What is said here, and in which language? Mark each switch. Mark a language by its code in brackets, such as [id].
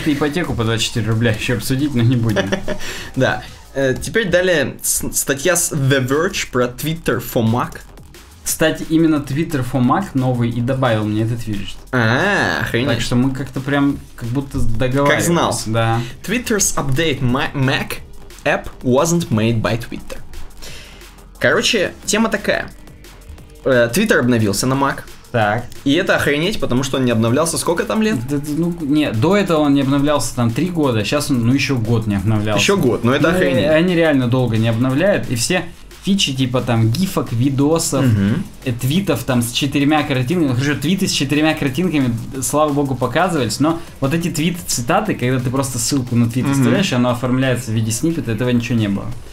[ru] Хочется ипотеку по 24 рубля еще обсудить, но не будем. Да. Теперь далее статья с The Verge про Twitter for Mac. Кстати, именно Twitter for Mac новый и добавил мне этот виджет. А-а-а, охренеть. Так что мы как-то прям, как будто договаривались. Как знал. Да. [en] Twitter's update Mac app wasn't made by Twitter. [ru] Короче, тема такая. Twitter обновился на Mac. Так. И это охренеть, потому что он не обновлялся сколько там лет? Да, ну, не, до этого он не обновлялся там 3 года, сейчас он, ну, еще год не обновлялся. Еще год, но это ну, охренеть. Они реально долго не обновляют, и все фичи типа там гифок, видосов, твитов там с четырьмя картинками, хорошо, твиты с четырьмя картинками, слава богу, показывались, но вот эти твит-цитаты, когда ты просто ссылку на твит оставляешь, оно оформляется в виде сниппета, этого ничего не было.